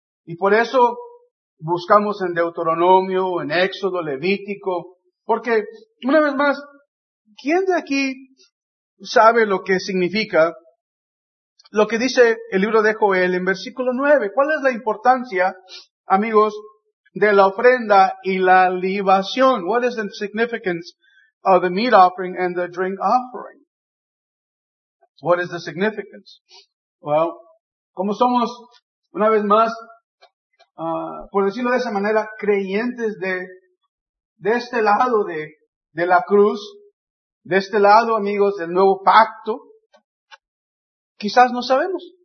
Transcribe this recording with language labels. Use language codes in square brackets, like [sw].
[es] Y por eso buscamos en Deuteronomio, en Éxodo, Levítico, porque, una vez más, ¿quién de aquí sabe lo que significa lo que dice el libro de Joel en versículo 9? ¿Cuál es la importancia, amigos, de la ofrenda y la libación? [en] What is the significance of the meat offering and the drink offering? What is the significance? [es] Well, como somos, una vez más, por decirlo de esa manera, creyentes de este lado de la cruz, de este lado, amigos, del nuevo pacto, quizás no sabemos.